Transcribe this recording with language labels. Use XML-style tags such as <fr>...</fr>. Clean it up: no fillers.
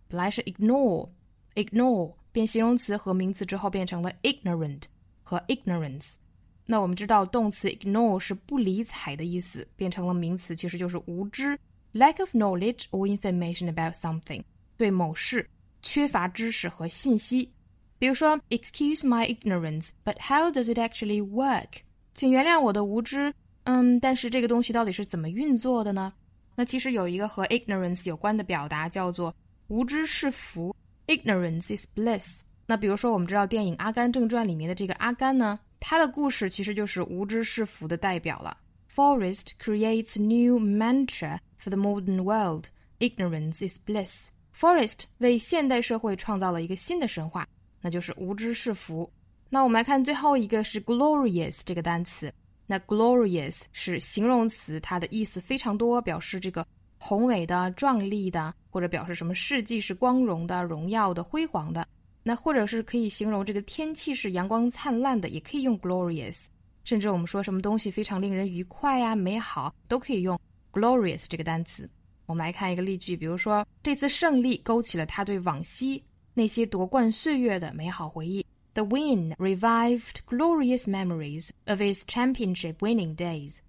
<zh>本来是 ignore, 变形容词和名词之后变成了 ignorant 和 ignorance。那我们知道动词 ignore 是不理睬的意思，变成了名词其实就是无知。</zh> <en>Lack of knowledge or information about something.</en> <zh>对某事缺乏知识和信息。比如说</zh> <en>Excuse my ignorance, but how does it actually work?</en> <zh>请原谅我的无知，但是这个东西到底是怎么运作的呢？那其实有一个和 ignorance 有关的表达叫做无知是福，</zh> <en>Ignorance is bliss.</en> <zh>那比如说我们知道电影《阿甘正传》里面的这个阿甘呢，他的故事其实就是无知是福的代表了。</zh> <en>Forest creates new mantra for the modern world. Ignorance is bliss.</en> <zh>Forest 为现代社会创造了一个新的神话，那就是无知是福。那我们来看最后一个是 glorious 这个单词。那 glorious 是形容词，它的意思非常多，表示这个宏伟的、壮丽的，或者表示什么事迹是光荣的、荣耀的、辉煌的。那或者是可以形容这个天气是阳光灿烂的，也可以用 glorious。甚至我们说什么东西非常令人愉快啊、美好，都可以用 glorious 这个单词。我们来看一个例句，比如说这次胜利勾起了他对往昔那些夺冠岁月的美好回忆。</zh> <en>The win revived glorious memories of his championship winning days.</en>